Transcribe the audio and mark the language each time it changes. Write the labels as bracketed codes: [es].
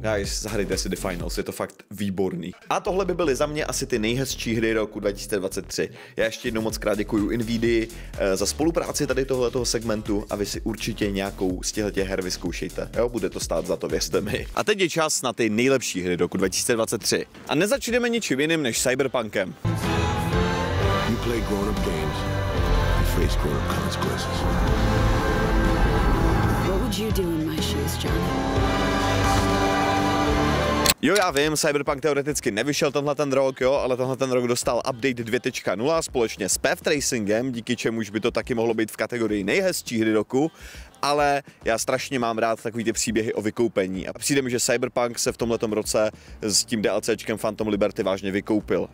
[cs] Guys, zahrajte si The Finals, je to fakt výborný. A tohle by byly za mě asi ty nejhezčí hry roku 2023. Já ještě jednou moc krát děkuju Nvidii za spolupráci tady tohoto segmentu a vy si určitě nějakou z těchto her vyzkoušejte. Jo, bude to stát za to, věřte mi. A teď je čas na ty nejlepší hry roku 2023. A nezačneme ničím jiným než Cyberpunkem. [en] You play grown-up games, you face grown-up consequences. What would you do in my shoes, Johnny? [cs] Jo, já vím, Cyberpunk teoreticky nevyšel tenhle ten rok, jo, ale tenhle ten rok dostal update 2.0 společně s Path Tracingem, díky čemuž by to taky mohlo být v kategorii nejhezčí hry roku. Ale já strašně mám rád takový ty příběhy o vykoupení a přijde mi, že Cyberpunk se v tomhletom roce s tím DLCčkem Phantom Liberty vážně vykoupil.